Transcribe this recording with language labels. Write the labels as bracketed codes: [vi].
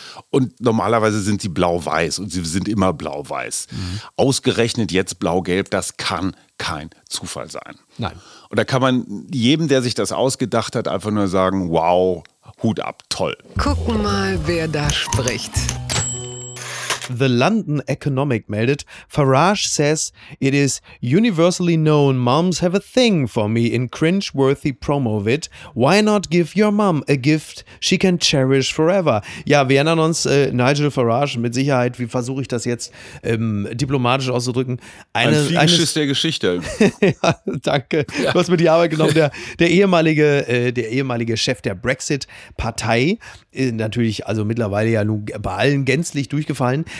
[de] Und normalerweise sind sie blau-weiß und sie sind immer blau-weiß. Mhm. Ausgerechnet jetzt blau-gelb, das kann kein Zufall sein. Nein. Und da kann man jedem, der sich das ausgedacht hat, einfach nur sagen, wow, Hut ab, toll. Gucken mal, wer da spricht. [en] The London Economic [de] meldet, [en] Farage says, it is universally known moms have a thing for me in cringe-worthy Promovid. Why not give your mom a gift she can cherish forever? [de] Ja, wir erinnern uns, Nigel Farage, mit Sicherheit, wie versuche ich das jetzt diplomatisch auszudrücken? Ein Fliegenschiss der Geschichte. Ja, danke, du hast mir die Arbeit genommen. Der ehemalige Chef der Brexit-Partei, natürlich also mittlerweile ja nun bei allen gänzlich durchgefallen.